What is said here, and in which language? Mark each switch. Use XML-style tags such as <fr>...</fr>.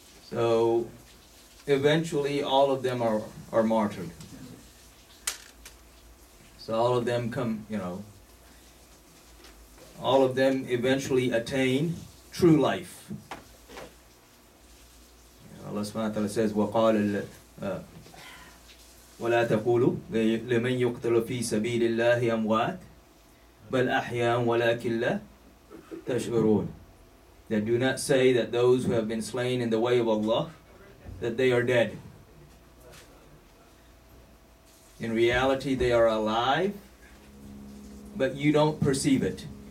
<en>So, eventually all of them are martyred. So all of them come, you know, all of them eventually attain true life. Allah subhanahu wa ta'ala says,</en> <ar>وَقَالَ وَلَا تَقُولُ لِمَنْ يُقْتَلُ فِي سَبِيلِ اللَّهِ أَمْوَاتِ بَلْ أَحْيَاءً وَلَاكِنْ لَا تَشْعُرُونَ.</ar> <en>That do not say that those who have been slain in the way of Allah, that they are dead. In reality, they are alive, but you don't perceive it.</en>